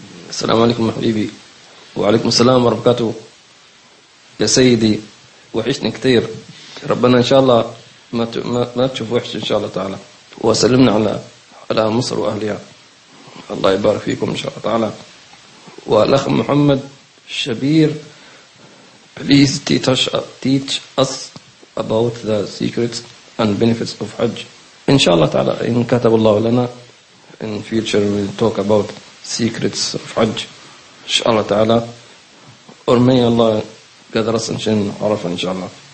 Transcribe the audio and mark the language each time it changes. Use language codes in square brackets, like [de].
[ar] السلام عليكم حبيبي. وعليكم السلام ورحمة الله يا سيدي، وحشني كثير، ربنا إن شاء الله ما تشوف وحش إن شاء الله تعالى، وسلمنا على مصر وأهلها، الله يبارك فيكم إن شاء الله تعالى. والأخ محمد شبير [en] please teach us about the secrets and benefits of Hajj. [ar] إن شاء الله تعالى إن كتب الله لنا [en] in future we'll talk about secrets of Hajj [ar] إن شاء الله تعالى. أرمي الله قدر أصلا شن عرف إن شاء الله.